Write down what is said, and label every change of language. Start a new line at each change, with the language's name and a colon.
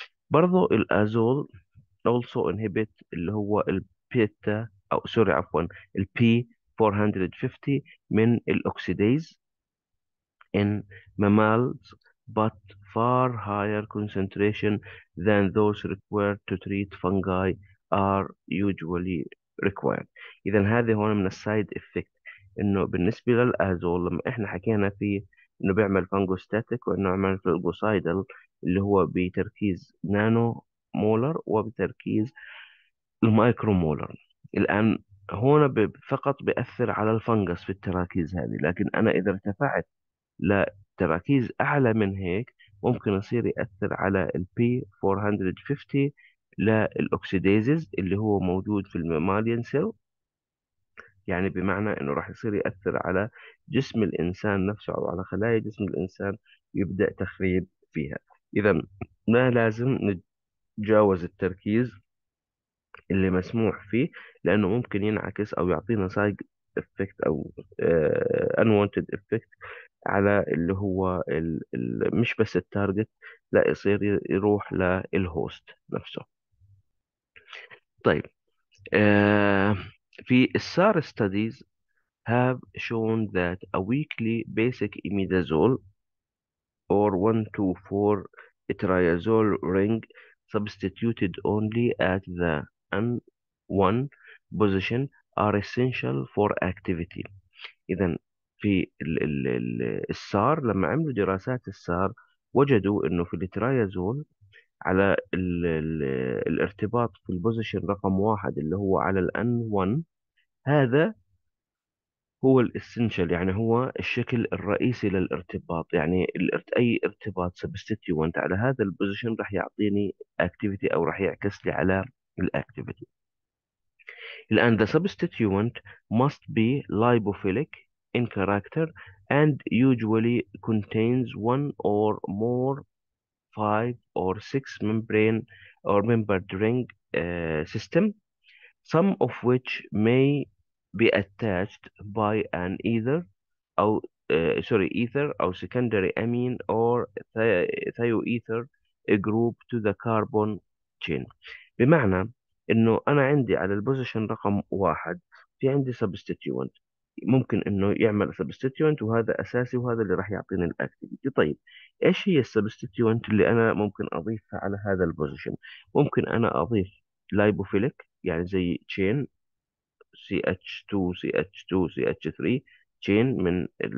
Arabic: برضو الازول
English: also inhibit
Arabic: اللي هو البيتا او سوري عفوا البي 450 من الاوكسيديز
English: in mammals, but far higher concentration than those required to treat fungi are usually required.
Arabic: إذا هذه هون من السايد إفكت، إنه بالنسبة للأزول لما إحنا حكينا فيه إنه بيعمل فانجوستاتيك وإنه يعمل فلوجوسايدل اللي هو بتركيز نانو مولر وبتركيز المايكرو مولر. الآن هون فقط بيأثر على الفنجس في التراكيز هذه، لكن أنا إذا ارتفعت لتراكيز أعلى من هيك ممكن يصير يأثر على البي 450 للأوكسيديزز اللي هو موجود في الماليان سيل، يعني بمعنى إنه راح يصير يأثر على جسم الإنسان نفسه أو على خلايا جسم الإنسان يبدأ تخريب فيها. إذا ما لازم نتجاوز التركيز اللي مسموح فيه لأنه ممكن ينعكس أو يعطينا سايد إفكت أو unwanted إفكت على اللي هو مش بس التارجت، لا يصير يروح للهوست نفسه. طيب في السار ستاديز
English: have shown that a weekly basic imidazole or 1-2-4 etriazole ring substituted only at the N1 position are essential for activity.
Arabic: إذا في السار لما عملوا دراسات السار وجدوا إنه في الاترايازول على الارتباط في البوزيشن رقم واحد اللي هو على الـ N1 هذا هو الاسنشال، يعني هو الشكل الرئيسي للارتباط، يعني اي ارتباط سبستيتيونت على هذا البوزيشن راح يعطيني اكتيفيتي او راح يعكس لي على الاكتيفيتي.
English: الان the substituent must be lipophilic in character and usually contains one or more 5 or 6 membrane or membered ring system, some of which may be attached by an ether or ether or secondary amine or thioether group to the carbon chain.
Arabic: بمعنى انه انا عندي على البوزيشن رقم واحد في عندي substituent ممكن انه يعمل سبستيتيونت وهذا اساسي وهذا اللي راح يعطيني الاكتيفيتي. طيب ايش هي السبستيتيونت اللي انا ممكن اضيفها على هذا البوزيشن؟ ممكن انا اضيف لايبوفيليك يعني زي تشين سي اتش 2 سي اتش 2 سي اتش 3 تشين من